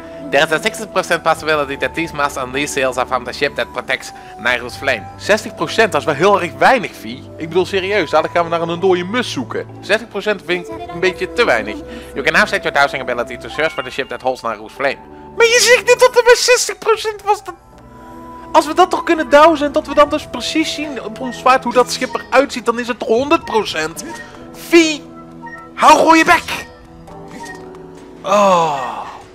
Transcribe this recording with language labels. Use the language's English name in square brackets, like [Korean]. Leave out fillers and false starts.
[English] There is a 60% possibility that these masts and these sails are from the ship that protects Nyru's Flame. 60%? [Dutch] Dat is wel heel erg weinig, Fee. Ik bedoel, serieus, dadelijk gaan we naar een dode mus zoeken. 60% vind ik een beetje te weinig. [English] You can now set your dowsing ability to search for the ship that holds Nyru's Flame. [Dutch] Maar je zegt niet dat er maar 60% was dat... Als we dat toch kunnen dowsen en dat we dan dus precies zien op ons zwaard hoe dat schip eruit ziet, dan is het 100%. Fee, hou gewoon je bek! Oh...